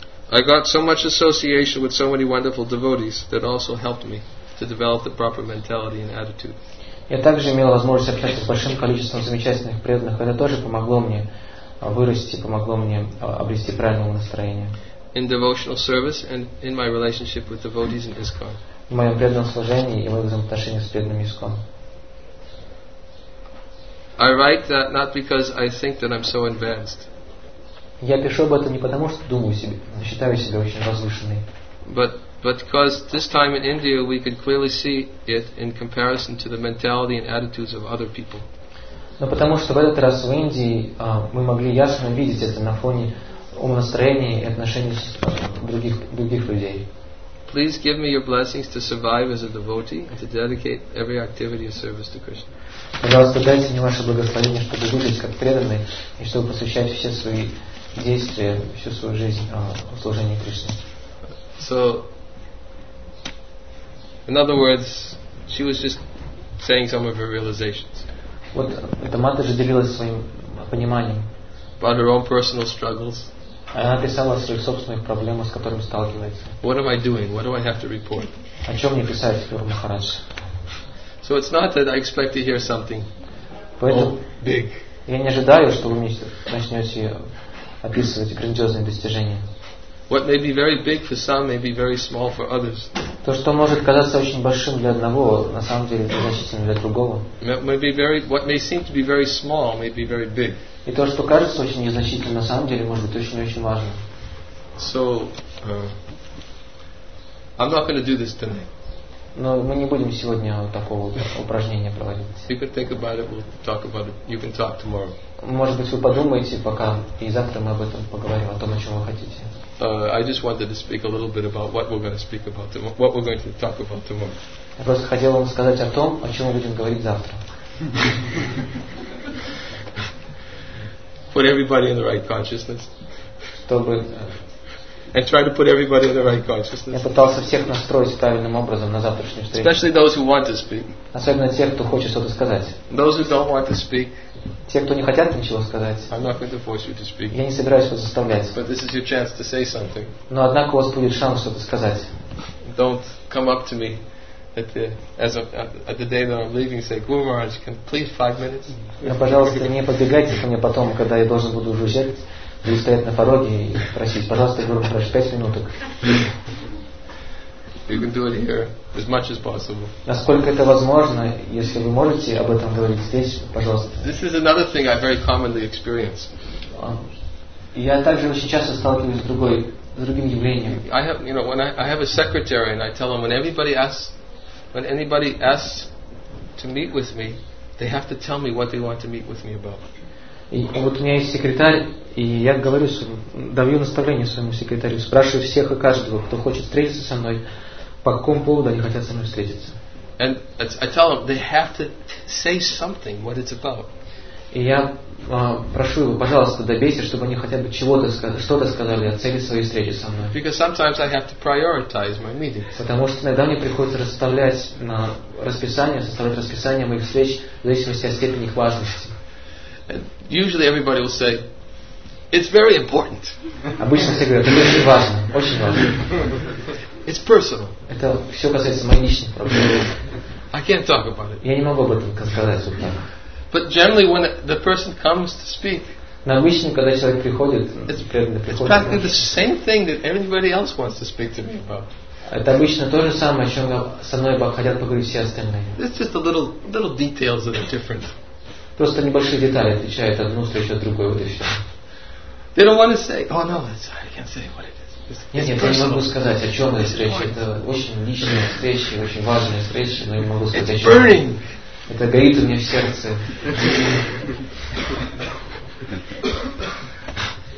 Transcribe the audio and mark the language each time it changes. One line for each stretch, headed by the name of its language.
English: I got so much association with so many wonderful devotees that also helped me to develop the proper mentality and attitude.
Russian: Я также имел возможность общаться с большим количеством замечательных преданных. Это тоже помогло мне вырасти, помогло мне обрести правильное настроение.
English: In devotional service and in my relationship with devotees in ISKCON.
Russian: В моем преданном служении и в моих взаимоотношениях с преданными ISKCON.
English: I write that not because I think that I'm so advanced.
Russian: Я пишу об этом не потому, что думаю себе, считаю себя очень возвышенной.
English: But because this time in India we could clearly see it in comparison to the mentality and attitudes of other people.
Russian: Но потому что в этот раз в Индии мы могли ясно видеть это на фоне умонастроения и отношений других людей.
English: Please give me your blessings to survive as a devotee and to dedicate every activity of service to Krishna.
Russian: Пожалуйста, дайте мне ваше благословение, чтобы выжить как преданный и чтобы посвящать все свои действия, всю свою жизнь служению Кришне.
English: So, in other words, she was just saying some of her realizations.
Russian: Вот эта мать же делилась своим пониманием.
English: About her own personal struggles.
Russian: Она писала о своих собственных проблемах, с которыми сталкивается.
English: What am I doing? What do I have to report?
Russian: О чем мне писать, Гуру Махарадж?
English: So it's not that I expect to hear something.
Russian: Поэтому
English: big.
Russian: Я не ожидаю, что вы мне начнете описывать грандиозные достижения.
English: What may be very big for some may be very small for others.
Russian: То, что может казаться очень большим для одного, на самом деле значительным для другого.
English: What may seem to be very small may be very big.
Russian: И то, что кажется очень незначительным, на самом деле может быть очень-очень важным.
English: So, I'm not going to do this tonight.
Russian: Но мы не будем сегодня такого упражнения проводить.
English: You can think about it, we'll talk about it. You can talk tomorrow.
Russian: Может быть, вы подумаете пока, и завтра мы об этом поговорим, о том, о чем вы хотите.
English: I just wanted to speak a little bit about what we're going to speak about, what we're going to talk about tomorrow.
Russian: Я просто хотел вам сказать о том, о чем мы будем говорить завтра.
English: Put everybody in the right consciousness.
Russian: Чтобы...
English: And try to put everybody in the right consciousness.
Russian: Я пытался всех настроить правильным образом на завтрашнюю встречу.
English: Especially those who want to speak.
Russian: Особенно тех, кто хочет что-то сказать.
English: Those who don't want to speak.
Russian: Те, кто не хотят ничего сказать.
English: I'm not going to force you to speak.
Russian: Я не собираюсь вас заставлять.
English: But this is your chance to say something.
Russian: Но однако у вас будет шанс что-то сказать.
English: Don't come up to me at the day that I'm leaving. Say, Guru Maharaj, can please 5 minutes?
Russian: Но, пожалуйста, не подбегайте ко мне потом, когда я должен буду уезжать. Вы стоять на пороге и просить, пожалуйста, Гуру Махарадж, 5 минуток.
English: You can do it here as much as possible.
Russian: Насколько это возможно, если вы можете об этом говорить здесь, пожалуйста.
English: This is another thing I very commonly experience.
Russian: Я также очень часто сталкиваюсь с другим явлением.
English: I have, you know, when I have a secretary and I tell him when anybody asks to meet with me, they have to tell me what they want to meet with me about.
Russian: И вот у меня есть секретарь, и я говорю, даю наставление своему секретарю, спрашиваю всех и каждого, кто хочет встретиться со мной, по какому поводу они хотят со мной встретиться.
English: And I tell them they have to say something what it's about.
Russian: И я прошу его, пожалуйста, добейтесь, чтобы они хотя бы чего-то сказали, что-то сказали о цели своей встречи со мной.
English: Because sometimes I have to prioritize my meetings.
Russian: Потому что иногда мне приходится составлять расписание моих встреч в зависимости от степени их важности.
English: And usually everybody will say, it's very important.
Russian: Обычно все говорят, это очень важно, очень важно.
English: It's personal.
Russian: Это все касается моей личной проблемы.
English: I can't talk about it.
Russian: Я не могу об этом сказать вот так.
English: But generally when the person comes to speak,
Russian: обычно, когда человек приходит,
English: it's the same thing that everybody else wants to speak to me about.
Russian: Это обычно то же самое, о чем со мной хотят поговорить все остальные.
English: It's just the little details that are different.
Russian: Просто небольшие детали отличают одну встречу от другой. Вот и все.
English: They don't want to say, oh no, that's, I can't say what it is.
Russian: Нет, я не могу сказать, о чем эта встреча. Это очень личная встреча, очень важная встреча, но я могу сказать, о чем.
English: It's burning.
Russian: Это горит у меня в сердце.